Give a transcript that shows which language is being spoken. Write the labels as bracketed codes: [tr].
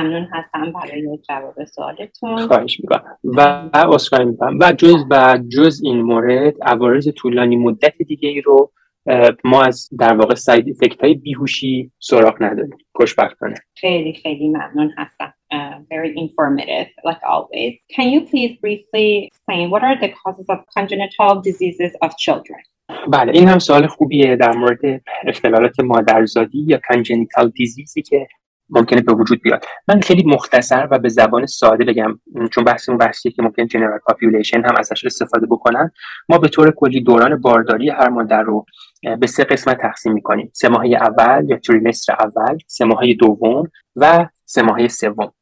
[fa] خیلی ممنون هستم برای جواب سوالتون. خواهش میکنم. و جز این مورد، عوارض طولانی مدت دیگه ای رو ما از در واقع ساید افکت های بیهوشی سراغ نداریم، خوشبختانه. خیلی خیلی ممنون هستم. [en] Very informative, like always. Can you please briefly explain what are the causes of congenital diseases of children? [fa] بله، این هم سوال خوبیه، در مورد اختلالات مادرزادی یا congenital diseases که ممکنه به وجود بیاد. من خیلی مختصر و به زبان ساده بگم، چون بحثمون بحثیه که ممکن general population هم ازش استفاده بکنن. ما به طور کلی دوران بارداری هر مادر رو به 3 قسمت تقسیم میکنیم: 3 ماهه اول یا تریمستر اول، 3 ماهه دوم و 3 ماهه سوم.